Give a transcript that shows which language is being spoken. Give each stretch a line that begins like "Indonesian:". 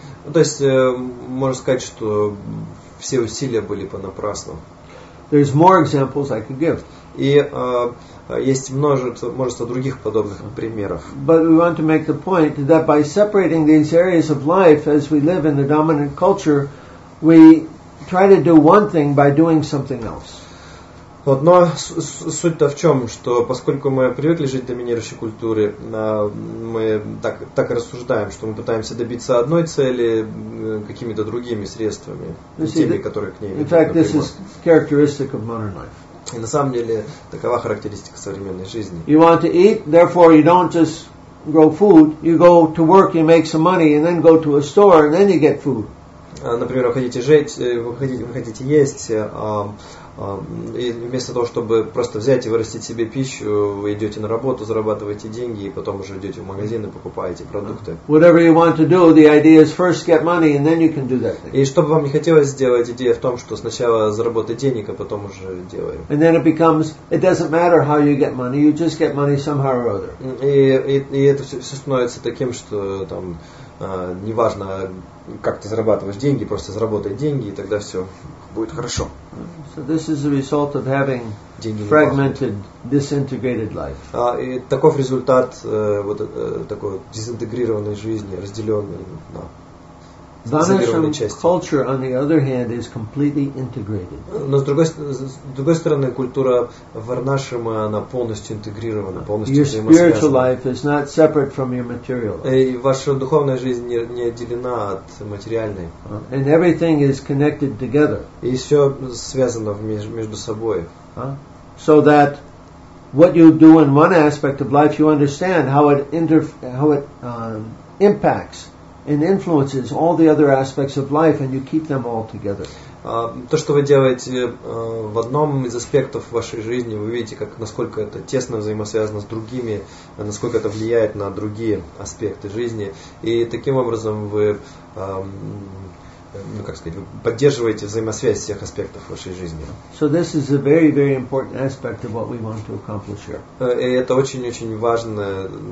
Russian: Ну, то есть можно сказать, что все усилия были понапрасну.
English: There's more examples I could give.
Russian: И есть множество других подобных примеров.
English: But we want to make the point that by separating these areas of life as we live in the dominant culture, we try to do one thing by doing something else.
Russian: Вот, но суть-то в чем, что поскольку мы привыкли жить в доминирующей культуре, мы так и рассуждаем, что мы пытаемся добиться одной цели какими-то другими средствами, теми, которые к ней напрямую.
English: In fact, this is characteristic of modern life.
Russian: И на самом деле такова характеристика современной жизни.
English: You want to eat, therefore you don't just grow food, you go to work, you make some money, and then go to a store, and then you get food.
Russian: Например, вы хотите есть, и вместо того, чтобы просто взять и вырастить себе пищу, вы идете на работу, зарабатываете деньги, и потом уже идете в магазин и покупаете продукты.
English: Whatever you want to do, the idea is first get money, and then you can do that thing.
Russian: И что бы вам не хотелось сделать, идея в том, что сначала заработать денег, а потом уже делаем.
English: And then it becomes, it doesn't matter how you get money, you just get money somehow or other.
Russian: И это все становится таким, что там неважно, как ты зарабатываешь деньги, просто заработай деньги, и тогда все будет хорошо.
English: So this is the result of having fragmented, disintegrated life.
Russian: И таков результат вот такой дезинтегрированной жизни, разделенной на изолированные части.
English: Vanisham culture, on the other hand, is completely integrated.
Russian: Но с другой стороны, культура Варнашрама, она полностью интегрирована, полностью взаимосвязана.
English: Your spiritual life is not separate from your material life.
Russian: И ваша духовная жизнь не отделена от материальной.
English: And everything is connected together.
Russian: И все связано между собой.
English: So that what you do in one aspect of life, you understand how it impacts and influences all the other aspects of life, and you keep them all together.
Russian: То, что вы делаете в одном из аспектов вашей жизни, вы видите, как насколько это тесно взаимосвязано с другими, насколько это влияет на другие аспекты жизни, и таким образом вы, ну как сказать, вы поддерживаете взаимосвязь всех аспектов вашей жизни.
English: So this is a very, very important aspect of what we want to accomplish here.
Russian: И это очень-очень важное.